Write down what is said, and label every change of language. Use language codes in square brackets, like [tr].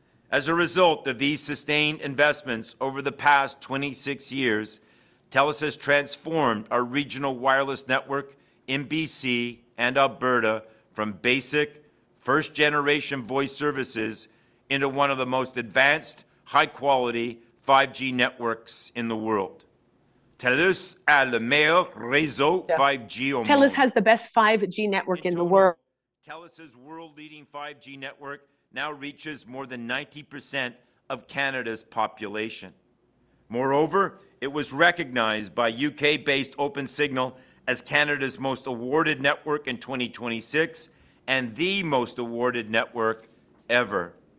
[en] As a result of these sustained investments over the past 26 years, TELUS has transformed our regional wireless network in BC and Alberta from basic first-generation voice services into one of the most advanced, high-quality 5G networks in the world. [fr] TELUS a le meilleur réseau 5G au monde. [en] TELUS has the best 5G network in the world. TELUS's world-leading 5G network now reaches more than 90% of Canada's population. Moreover, it was recognized by UK-based OpenSignal as Canada's most awarded network in 2026 and the most awarded network ever.